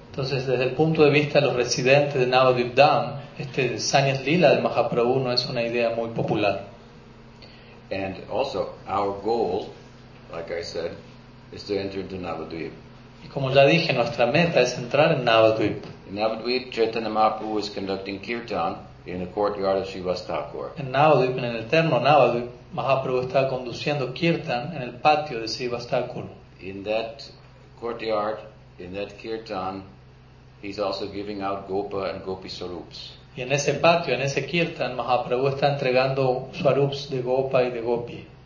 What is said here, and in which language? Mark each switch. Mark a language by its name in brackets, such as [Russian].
[Spanish] Entonces, desde el punto de vista de los residentes de Navadvipa Dham, este sannyasa lila de Mahaprabhu no es una idea muy popular. [English] And also, our goal, like I said, is to enter into Navadvipa. [Spanish] Y como ya dije, nuestra meta es entrar en Navadvipa. [English] In Navadvipa, Caitanya Mahaprabhu is conducting kirtan in the courtyard of Sivastakur. [Spanish] En Navadvipa, en el eterno Navadvipa, Mahaprabhu está conduciendo kirtan en el patio de Sivastakur. [English] In that courtyard, in that kirtan, he's also giving out gopa and gopi swarups. [Spanish] Y en ese patio, en ese kirtan, Mahaprabhu está entregando swarups de gopa y de gopi.